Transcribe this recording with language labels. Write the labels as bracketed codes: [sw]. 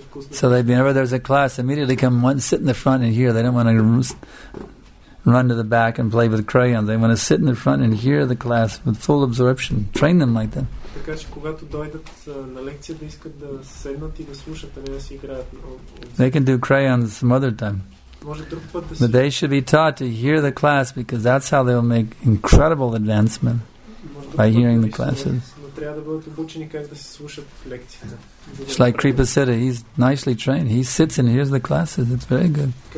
[en] So that whenever there's a class, immediately come and sit in the front and hear. They don't want to run to the back and play with crayons. They want to sit in the front and hear the class with full absorption. Train them like that. [bg] Така че когато дойдат на лекция да искат да седнат и да слушат, а не да си играят. [en] They can do crayons some other time. [bg] Може друг път да си. [en] But they should be taught to hear the class because that's how they'll make incredible advancement by hearing the classes. [bg] Но трябва да бъдат обучени как да се слушат лекцията. [en] It's like Kripa Siddha, he's nicely trained. He sits and hears the classes, it's very good.